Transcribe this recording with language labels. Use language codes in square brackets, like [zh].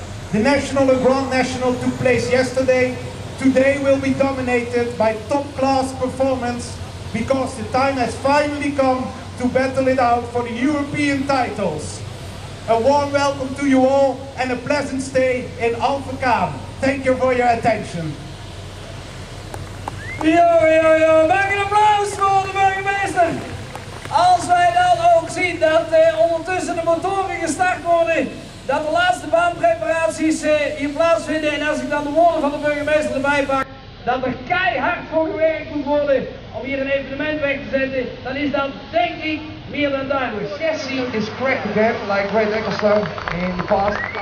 [en] The National and Grand National took place yesterday. Today will be dominated by top class performance because the time has finally come to battle it out for the European titles. A warm welcome to you all and a pleasant stay in Alphekam. Thank you for your attention. [nl] Yo, yo, yo, maak een applaus voor de burgemeester! Als wij dan ook zien dat ondertussen de motoren gestart worden, dat de laatste baanpreparaties hier plaatsvinden en als ik dan de woorden van de burgemeester erbij pak, dat er keihard voor gewerkt moet worden om hier een evenement weg te zetten, dan is dat denk ik meer dan duidelijk. [en] Jesse is cracked again, like Ray Nicholson in the past.